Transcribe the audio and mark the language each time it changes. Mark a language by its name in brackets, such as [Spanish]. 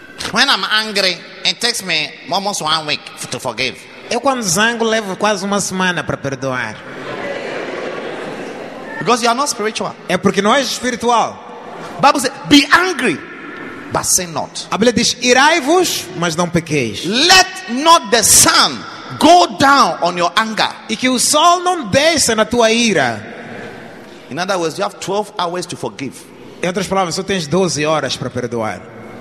[English] When I'm angry, it takes me almost 1 week to forgive. [Portuguese] Eu quando zango levo quase uma semana para perdoar. [English] Because you are not spiritual. [Portuguese] É porque não és espiritual. [English] Bible says, be angry. But sin not. [Portuguese] A Bíblia diz: irai-vos, mas não pequeis. [English] Let not the sun go down on your anger. [Portuguese] E que o sol não desça na tua ira. [English] In other words, you have 12 hours to forgive. [Portuguese] Em outras palavras, só tens 12 horas para perdoar.